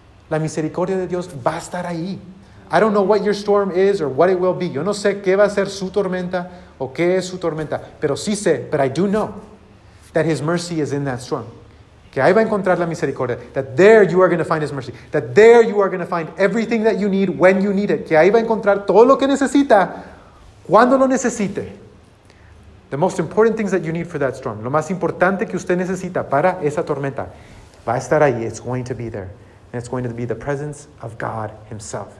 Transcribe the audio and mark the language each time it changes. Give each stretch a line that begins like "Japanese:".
Spanish: La misericordia de Dios va a estar ahí.
English: I don't know what your storm is or what it will be.
Spanish: Yo no sé qué va a ser su tormenta o qué es su tormenta.
English: Pero sí sé, but I do know that His mercy is in that storm. Que ahí va a encontrar la misericordia. That there you are going to find His mercy. That there you are going to find everything that you need when you need it.
Spanish: Que ahí va a encontrar todo lo que necesita cuando lo necesite.
English: The most important things that you need for that storm.
Spanish: Lo más importante que usted necesita para esa tormenta. Va a estar ahí. It's going to be there.
English: And it's going to be the presence of God Himself.